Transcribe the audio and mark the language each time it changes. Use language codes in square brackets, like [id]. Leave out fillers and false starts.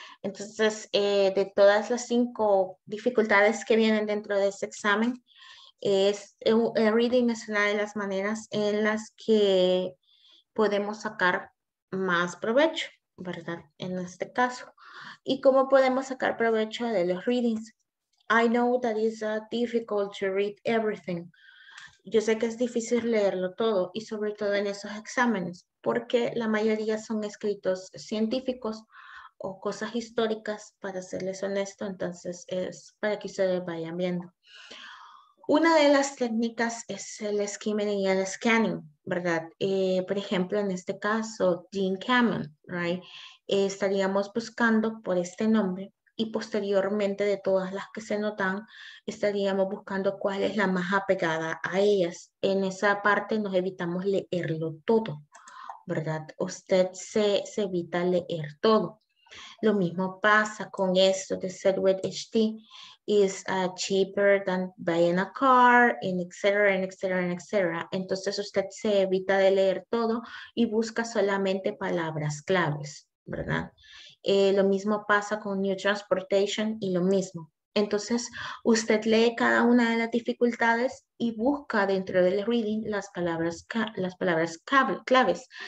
[es] Entonces, de todas las cinco dificultades que vienen dentro de ese examen, el reading es una de las maneras en las que podemos sacar más provecho, ¿verdad? En este caso. ¿Y cómo podemos sacar provecho de los readings? [en] I know that it's difficult to read everything. [es] Yo sé que es difícil leerlo todo y sobre todo en esos exámenes, porque la mayoría son escritos científicos o cosas históricas, para serles honesto, entonces es para que ustedes vayan viendo. Una de las técnicas es el skimming y el scanning, ¿verdad? Por ejemplo, en este caso, Dean Kamen, right? Estaríamos buscando por este nombre y posteriormente de todas las que se notan, estaríamos buscando cuál es la más apegada a ellas. En esa parte nos evitamos leerlo todo, ¿verdad? Usted se evita leer todo. Lo mismo pasa con esto, [en] the set with HD is cheaper than buying a car, and etc., and etc., and etc. [es] Entonces usted se evita de leer todo y busca solamente palabras claves, ¿verdad? Lo mismo pasa con New Transportation y lo mismo. Entonces usted lee cada una de las dificultades y busca dentro del reading las palabras claves.